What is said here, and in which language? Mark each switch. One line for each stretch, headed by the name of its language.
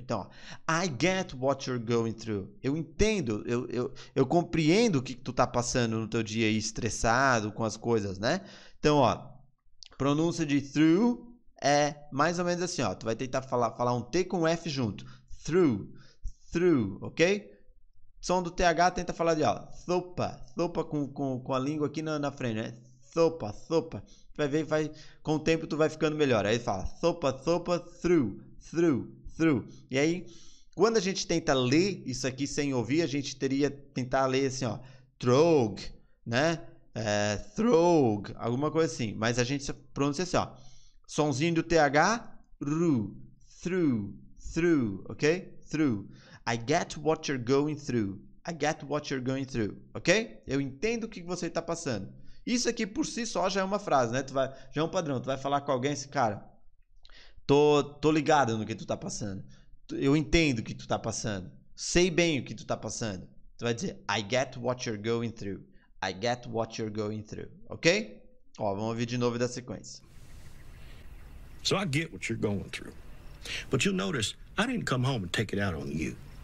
Portuguese: Então, ó,
English: I get what you're going through.
Portuguese: Eu entendo, eu compreendo o que tu tá passando no teu dia aí, estressado com as coisas, né? Então, ó, pronúncia de through é mais ou menos assim, ó. Tu vai tentar falar um T com F junto. Through, through, ok? Som do TH, tenta falar de, ó, sopa, sopa com a língua aqui na frente, né? Sopa, sopa. Vai ver, vai, com o tempo tu vai ficando melhor. Aí fala, sopa, sopa, through, through. Through. E aí, quando a gente tenta ler isso aqui sem ouvir, a gente teria tentar ler assim, ó, throg, né, throg, alguma coisa assim, mas a gente pronuncia assim, ó, sonzinho do TH, ru, through, through, ok, through,
English: I get what you're going through,
Portuguese: I get what you're going through, ok, eu entendo o que você está passando, isso aqui por si só já é uma frase, né, já é um padrão, tu vai falar com alguém, esse cara, Tô ligado no que tu tá passando. Eu entendo o que tu tá passando. Sei bem o que tu tá passando. Tu vai dizer,
English: I get what you're going through. I get what you're going through.
Portuguese: Ok? Ó, vamos ouvir de novo da sequência.
English: So I get what you're going through. But you'll notice, I didn't come home and take it out on you.